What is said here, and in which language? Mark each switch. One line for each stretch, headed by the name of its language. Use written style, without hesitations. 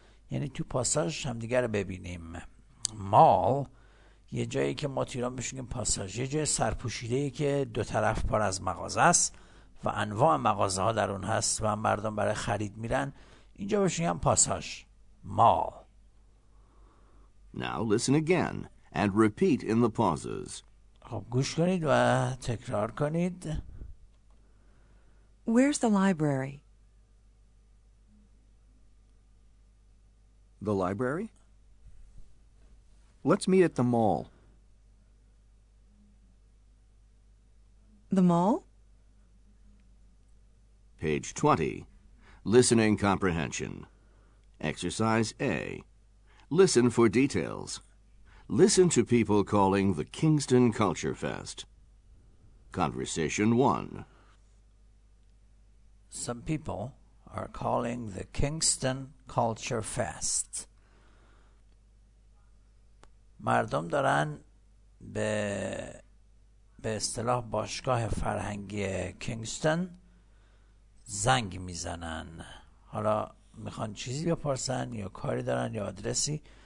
Persian: یعنی تو پاساژ همدیگر رو ببینیم. مال یه جایی که ما تو ایران بشنگیم پاساژ، یه جای سرپوشیده که دو طرف پر از مغازه است و انواع مغازه ها در اون هست و مردم برای خرید میرن. اینجا بشنگیم پاساژ. مال.
English: Now listen again and repeat in the pauses.
Persian: خب گوش کنید و تکرار کنید.
English: Where's the library? The library? Let's meet at the mall. The mall? Page 20. Listening comprehension. Exercise A. Listen for details. Listen to people calling the Kingston Culture Fest. Conversation 1. Some people are calling the Kingston Culture Fest.
Persian: مردم دارن به اصطلاح باشگاه فرهنگی کینگستون زنگ میزنن. حالا میخوان چیزی بپرسن یا کاری دارن یا آدرسی.